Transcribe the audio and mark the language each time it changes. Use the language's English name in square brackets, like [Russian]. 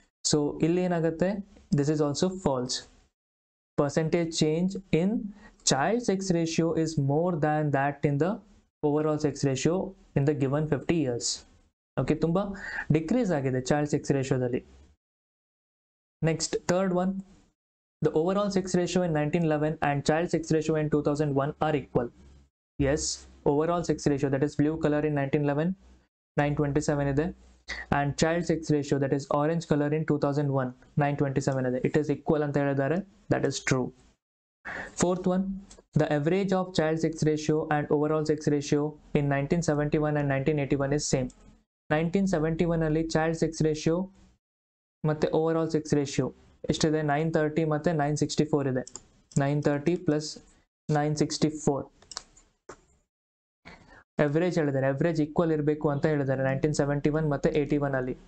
[Kannada] So ಇಲ್ಲಿ ಏನಾಗುತ್ತೆ, [English] This is also falls. Percentage change in child sex ratio is more than that in the overall sex ratio in the given 50 years. [Kannada] Okay, ತುಂಬ decrease ಆಗಿದೆ child sex ರೇಷಿಯೋದಲ್ಲಿ. [English] Next, third one, the overall sex ratio in 1911 and child sex ratio in 2001 are equal. Yes, overall sex ratio, that is blue color in 1911, 927 ide, and child sex ratio, that is orange color in 2001, 927 ide. It is equal, that is true. Fourth one, the average of child sex ratio and overall sex ratio in 1971 and 1981 is same. 1971 alli child sex ratio ಮತ್ತೆ overall sex ratio [Kannada] ಎಷ್ಟಿದೆ, 930 ಮತ್ತು 964 ಇದೆ. [English] 930 plus 964, [Kannada] average ಹೇಳಿದ್ದಾರೆ, average equal ಇರಬೇಕು ಅಂತ ಹೇಳಿದ್ದಾರೆ 1971 ಮತ್ತು 81 ಅಲ್ಲಿ.